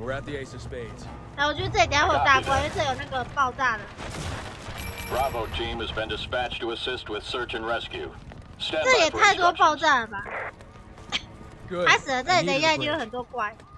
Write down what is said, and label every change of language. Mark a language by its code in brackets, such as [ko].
[en] We're at the Ace of Spades. [zh] 我觉得这里等一下会有大怪，因为这有那个爆炸的。 [en] Bravo team has been dispatched to assist with search and rescue. [zh] 这也太多爆炸了吧？还死了，这里等一下一定有很多怪。